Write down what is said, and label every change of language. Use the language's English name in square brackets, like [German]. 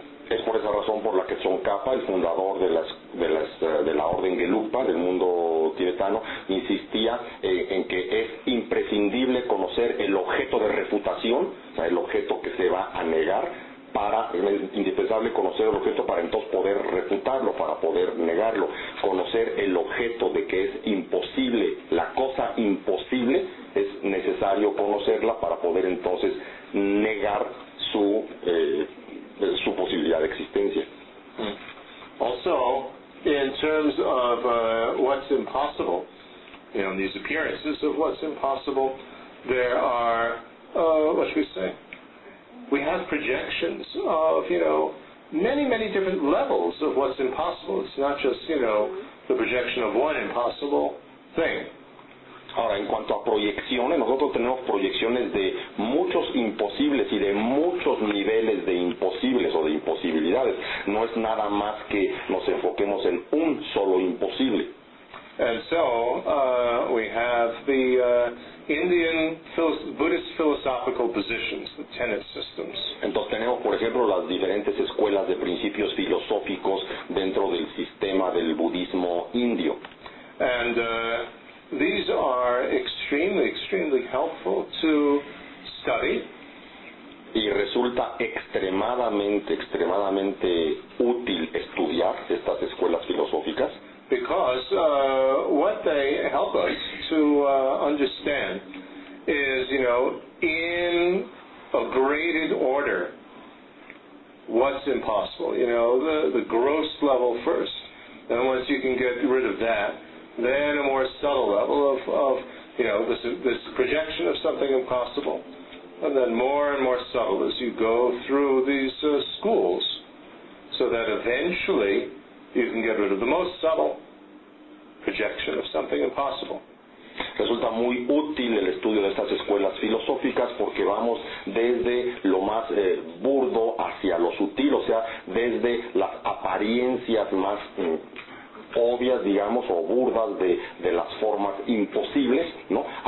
[Spanish] Es por esa razón por la que Tsongkhapa, el fundador de la orden Gelugpa, del mundo tibetano, insistía en que es imprescindible conocer el objeto de refutación, o sea, el objeto que se va a negar, para es indispensable conocer el objeto para entonces poder refutarlo, para poder negarlo. Conocer el objeto de que es imposible, la cosa imposible, es necesario conocerla para poder entonces negar su posibilidad de existencia. [English] Also, in terms of what's impossible, you know, these appearances of what's impossible, there are, what should we say? We have projections of, you know, many, many different levels of what's impossible. It's not just, you know, the projection of one impossible thing. [Spanish] Ahora, en cuanto a proyecciones, nosotros tenemos proyecciones de muchos imposibles y de muchos niveles de imposibles o de imposibilidades. No es nada más que nos enfoquemos en un solo imposible. [English] And so, we have the Indian Buddhist philosophical positions, the tenet systems. [Spanish] Entonces tenemos, por ejemplo, las diferentes escuelas de principios filosóficos dentro del sistema del budismo indio. [English] And these are extremely, extremely helpful to study. [Spanish] Y resulta extremadamente, extremadamente útil estudiar estas escuelas filosóficas. [English] Because what they help us to understand is, you know, in a graded order, what's impossible. You know, the gross level first, And once you can get rid of that, then a more subtle level of you know, this projection of something impossible. And then more and more subtle as you go through these schools, so that eventually you can get rid of the most subtle projection of something impossible. [Spanish] Resulta muy útil el estudio de estas escuelas filosóficas porque vamos desde lo más burdo hacia lo sutil, o sea, desde las apariencias más obvias, digamos, o burdas de las formas imposibles, ¿no?